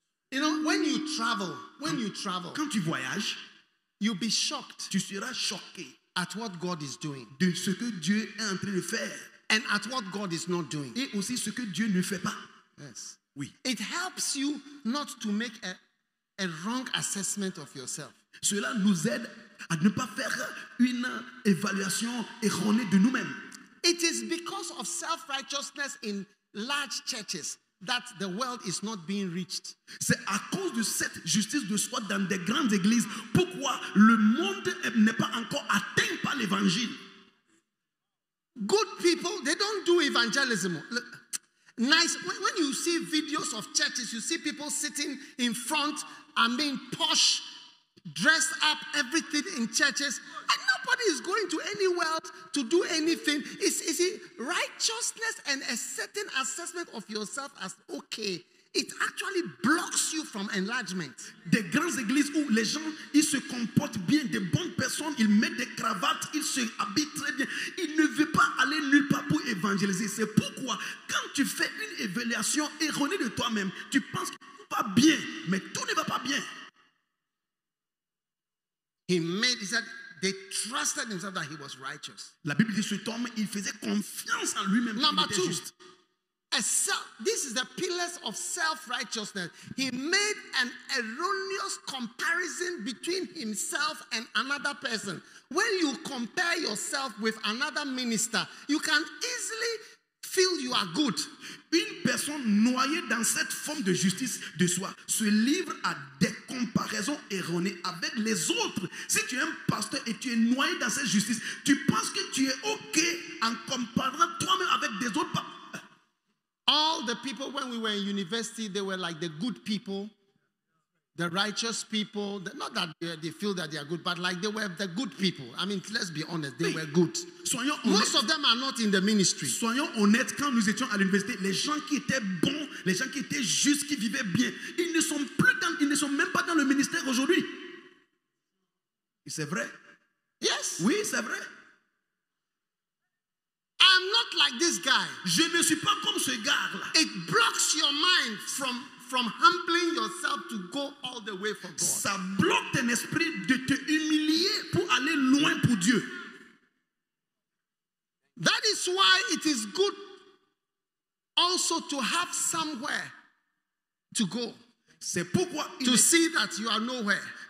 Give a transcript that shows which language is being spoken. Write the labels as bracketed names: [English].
[English] You know, when you travel, [French] quand tu voyages, [English] you'll be shocked. [French] Tu seras choqué [English] at what God is doing. [French] De ce que Dieu est en train de faire. [English] And at what God is not doing. [French] Et aussi ce que Dieu ne fait pas. [English] Yes. [French] Oui. [English] It helps you not to make a wrong assessment of yourself. [French] Cela nous aide à ne pas faire une évaluation erronée de nous-mêmes. [English] It is because of self-righteousness in large churches that the world is not being reached. [French] C'est à cause de cette justice de soi dans des grandes églises pourquoi le monde n'est pas encore atteint par l'évangile. [English] Good people, they don't do evangelism. Nice. When you see videos of churches, you see people sitting in front, posh dressed up everything in churches, and nobody is going to anywhere else to do anything. Is it righteousness and a certain assessment of yourself as okay? It actually blocks you from enlargement. [French] Des grandes églises où les gens, ils se comportent bien, des bonnes personnes, ils mettent des cravates, ils se habillent très bien. Ils ne veulent pas aller nulle part pour évangéliser. C'est pourquoi, quand tu fais une évaluation erronée de toi-même, tu penses que tout va bien, mais tout ne va pas bien. [English] He said they trusted himself that he was righteous. [French] La Bible dit cet homme, il faisait confiance en lui-même qu'il était juste. [English] This is the pillars of self-righteousness. He made an erroneous comparison between himself and another person. When you compare yourself with another minister, you can easily feel you are good. [French] Une personne noyée dans cette forme de justice de soi se livre à des comparaisons erronées avec les autres. Si tu es un pasteur et tu es noyé dans cette justice, tu penses que tu es OK en comparant toi-même avec des autres pasteurs. [English] All the people when we were in university, they were like the good people, the righteous people. Not that they feel that they are good, but like they were the good people. I mean, let's be honest, they were good. Most of them are not in the ministry. [French] Soyons honnêtes, quand nous étions à l'université, les gens qui étaient bons, les gens qui étaient justes, qui vivaient bien, ils ne sont même pas dans le ministère aujourd'hui. C'est vrai? [English] Yes. [French] Oui, c'est vrai. [English] I'm not like this guy. [French] Je ne suis pas comme ce gars là. [English] It blocks your mind from humbling yourself to go all the way for God. [French] Ça bloque ton esprit de te humilier pour aller loin pour Dieu. [English] That is why it is good also to have somewhere to go. [French] C'est pourquoi [English] see that you are nowhere.